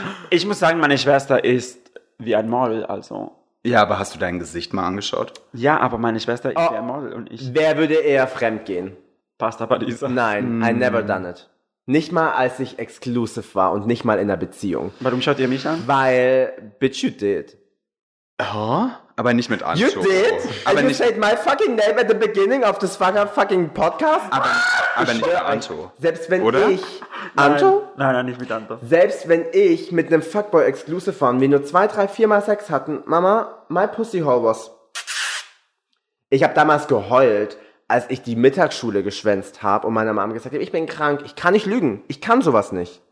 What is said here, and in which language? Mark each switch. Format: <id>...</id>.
<de>Ich muss sagen, meine Schwester ist wie ein Model, also. Ja, aber hast du dein Gesicht mal angeschaut? Ja, aber meine Schwester ist wie ein Model und ich. Wer würde eher fremdgehen? Pasta Parisa.</de> <en>Nein, I never done it.</en> <de>Nicht mal, als ich exclusive war und nicht mal in einer Beziehung. Warum schaut ihr mich an?</de> <en>Weil, bitch, you did.</en> <de>Oh? Aber nicht mit Anschub.</de> <en>You did? Aber you said my fucking name at the beginning of this fucking podcast?</en> <de>Aber nicht mit Anto. Selbst wenn oder? Ich... Anto? Nein, nicht mit Anto. Selbst wenn ich mit einem Fuckboy exclusive war und wir nur 2, 3, 4 Mal Sex hatten, Mama,</de> <en>my pussy hole was...</en> <de>Ich habe damals geheult, als ich die Mittagsschule geschwänzt habe und meiner Mama gesagt habe, ich bin krank, ich kann nicht lügen, ich kann sowas nicht.</de>